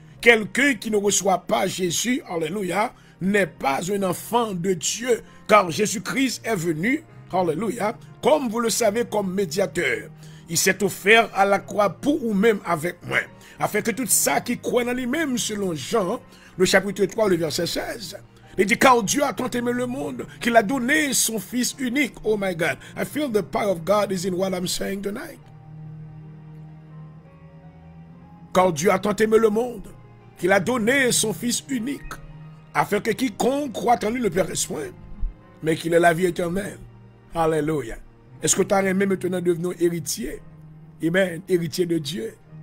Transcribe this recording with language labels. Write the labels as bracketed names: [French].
[French] Quelqu'un qui ne reçoit pas Jésus, alléluia, n'est pas un enfant de Dieu, car Jésus-Christ est venu, alléluia, comme vous le savez, comme médiateur. Il s'est offert à la croix pour vous-même avec moi, afin que tout ça qui croit en lui-même, selon Jean, le chapitre 3, le verset 16, il dit, car Dieu a tant aimé le monde, qu'il a donné son Fils unique. [English] Oh my God, I feel the power of God is in what I'm saying tonight. [French] Car Dieu a tant aimé le monde, qu'il a donné son Fils unique, afin que quiconque croit en lui ne perdisse point, mais qu'il ait la vie éternelle. Alléluia. Est-ce que tu as aimé maintenant devenir héritier? Amen. Héritier de Dieu.